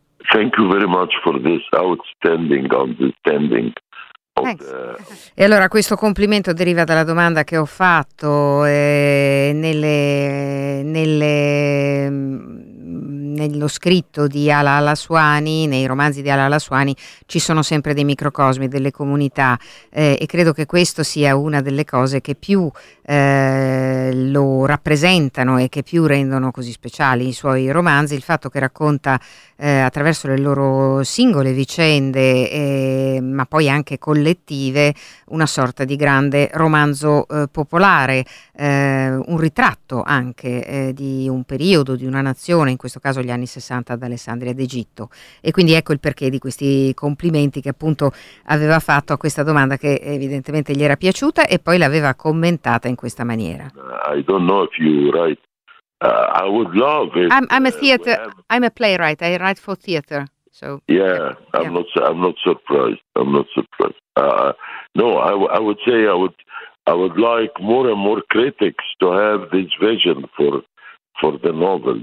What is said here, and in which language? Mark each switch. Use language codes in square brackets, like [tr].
[en] Thank you very much for this outstanding understanding. [it] E allora questo complimento deriva dalla domanda che ho fatto nello scritto di Al Aswani. Nei romanzi di Al Aswani ci sono sempre dei microcosmi, delle comunità, e credo che questo sia una delle cose che più lo rappresentano e che più rendono così speciali i suoi romanzi, il fatto che racconta attraverso le loro singole vicende, ma poi anche collettive, una sorta di grande romanzo popolare, un ritratto anche di un periodo, di una nazione, in questo caso gli anni 60 ad Alessandria d'Egitto. E quindi ecco il perché di questi complimenti che appunto aveva fatto a questa domanda, che evidentemente gli era piaciuta, e poi l'aveva commentata in questa maniera. [en] I don't know if you write. I would love it. I'm a playwright. I write for theater. So I'm not surprised. I'm not surprised. I would like more and more critics to have this vision for the novel.